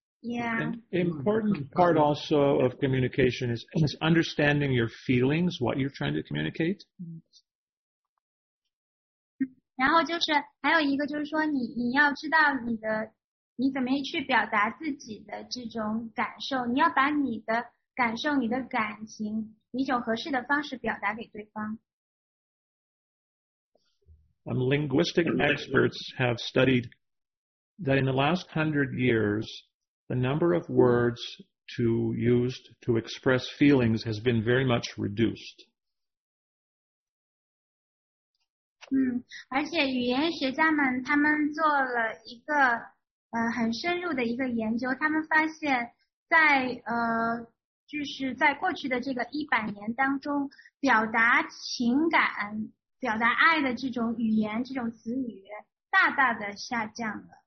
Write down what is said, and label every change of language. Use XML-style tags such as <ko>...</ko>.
<en>An important part also of communication is understanding your feelings, what you're trying to communicate.</en> <zh>然后就是还有一个就是说你要知道你怎么去表达自己的这种感受，你要把你的感受你的感情以一种合适的方式表达给对方。</zh> <en>Linguistic experts have studied that in the last 100 years the number of words used to express feelings has been very much reduced.</en> <zh>而且语言学家们他们做了一个很深入的一个研究，他们发现在就是在过去的这个100年当中，表达情感表达爱的这种语言这种词语大大的下降了。</zh>